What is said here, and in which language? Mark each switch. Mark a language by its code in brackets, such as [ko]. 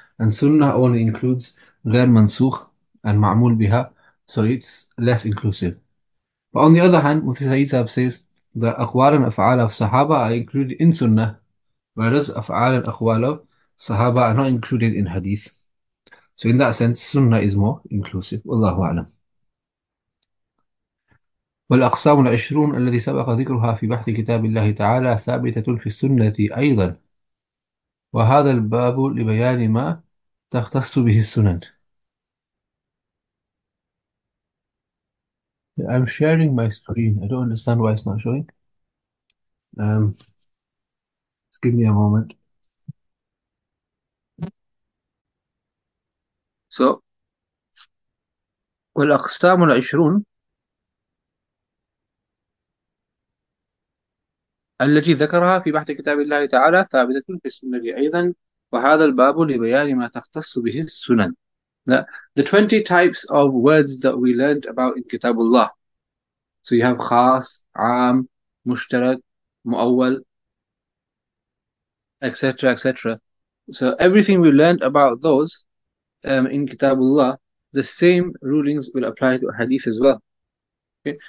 [en] And sunnah only includes غير منسوخ and معمول بها, so it's less inclusive. But on the other hand, Mufti Sayyid Sahib says that أقوال and أفعال of Sahaba are included in sunnah, whereas أفعال and أقوال of Sahaba are not included in hadith. So in that sense, sunnah is more inclusive. [ar] والله أعلم. والأقسام العشرون التي سبق ذكرها في بحث كتاب الله تعالى ثابتة في السنة أيضا. وهذا الباب لبيان ما تختص به السنن. [en] I'm sharing my screen. I don't understand why it's not showing. Just give me a moment. [ar] So, والأقسام العشرون التي ذكرها في بحث كتاب الله تعالى ثابتة في السنة أيضا وهذا الباب لبيان ما تختص به السنن. [en] The 20 types of words that we learned about in Kitab Allah. So you have خاص, عام, مشترك, مؤول, etc. etc. So everything we learned about those in Kitab Allah, the same rulings will apply to Hadith as well. Okay?